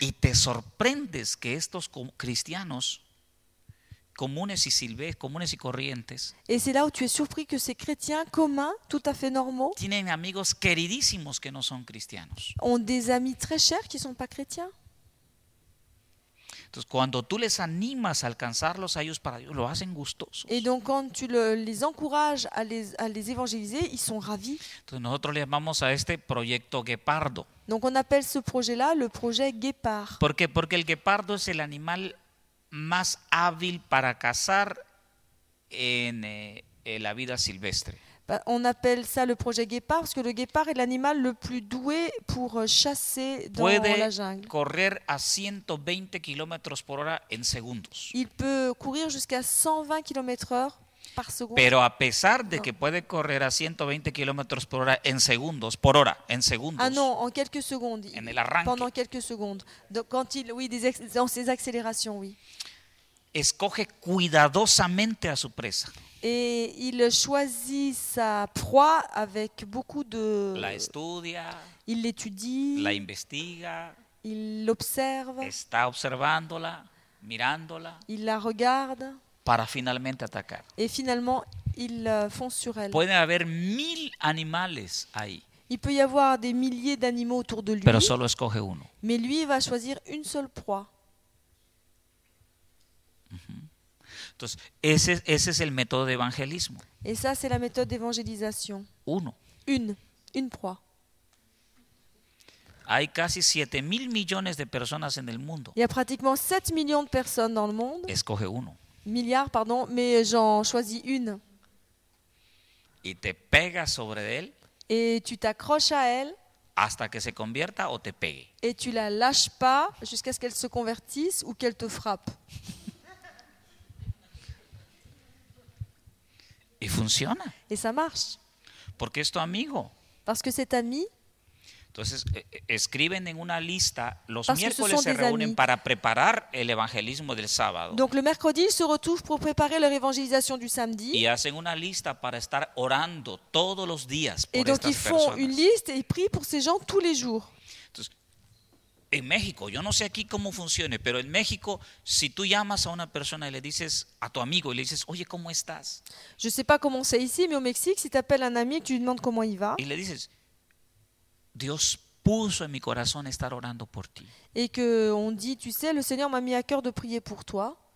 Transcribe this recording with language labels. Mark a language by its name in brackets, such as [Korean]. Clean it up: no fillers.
[Spanish] Y te sorprendes que estos cristianos comunes y corrientes. [French] Et c'est là où tu es surpris que ces chrétiens communs, tout à fait normaux. [Spanish] Tienen amigos queridísimos que no son cristianos. [French] Ont des amis très chers qui sont pas chrétiens. [Spanish] Entonces, cuando tú les animas a alcanzarlos a ellos para Dios, lo hacen gustosos. [French] Et donc quand tu les encourages à les évangéliser, ils sont ravis. [Spanish] Entonces, nosotros le llamamos a este proyecto guepardo. [French] Donc on appelle ce projet-là le projet guépard. [Spanish] ¿Por qué? Porque el guepardo es el animal más hábil para cazar en la vida silvestre. [French] On appelle ça le projet guépard parce que le guépard est l'animal le plus doué pour chasser dans [Spanish] puede [French] la jungle. [Spanish] Correr a 120 km por hora en segundos. [French] Il peut courir jusqu'à 120 km/h par seconde. [Spanish] Pero a pesar de que puede correr a 120 km por hora en segundos, por hora, en segundos. [French] Ah non, en quelques secondes. [Spanish] En el arranque. [French] Pendant quelques secondes. Donc quand il oui des dans ses accélérations, oui. [Spanish] Escoge cuidadosamente a su presa. [French] Et il choisit sa proie avec beaucoup de... [Spanish] La estudia. [French] Il l'étudie. [Spanish] La investiga. [French] Il l'observe. [Spanish] Está observándola, mirándola. [French] Il la regarde. [Spanish] Para finalmente atacar. [French] Et finalement, il fonce sur elle. [Spanish] Pueden haber mil animales ahí. [French] Il peut y avoir des milliers d'animaux autour de lui. [Spanish] Pero solo escoge uno. [French] Mais lui va choisir une seule proie. [Spanish] Entonces, ese es el método de evangelismo. [French] Et ça, c'est la méthode d'évangélisation. [Spanish] Uno. [French] Une proie. [Spanish] Hay casi 7 mil millones de personas en el mundo. [French] Il y a pratiquement 7 millions de personnes dans le monde. [Spanish] Escoge uno. [French] Milliards, pardon, mais j'en choisis une. [Spanish] Y te pegas sobre él. [French] Et tu t'accroches à elle. [Spanish] Hasta que se convierta o te pegue. [French] Et tu la lâches pas jusqu'à ce qu'elle se convertisse ou qu'elle te frappe. [Spanish] Y funciona. [French] Et ça marche. [Spanish] Porque es tu amigo. [French] Parce que cet ami [Spanish] Entonces, escriben en una lista, los [French] Parce [Spanish] miércoles se reúnen [French] amis. [Spanish] Para preparar el evangelismo del sábado. [French] Donc le mercredi ils se retrouvent pour préparer leur évangélisation du samedi. [Spanish] Y hacen una lista para estar orando todos los días por estas personas. [French] Et donc ils font [Spanish] personas. [French] Une liste et ils prient pour ces gens tous les jours. [Spanish] Entonces, en México, yo no sé aquí cómo funcione, pero en México, si tú llamas a una persona y le dices a tu amigo y le dices, "Oye, ¿cómo estás?" [French] Je sais pas comment c'est ici, mais au Mexique, si tu appelles un ami, tu lui demandes comment il va. [Spanish] Y le dices, Dios puso en mi corazón estar orando por ti. [French] Et que on dit, tu sais, le Seigneur m'a mis à cœur de prier pour toi.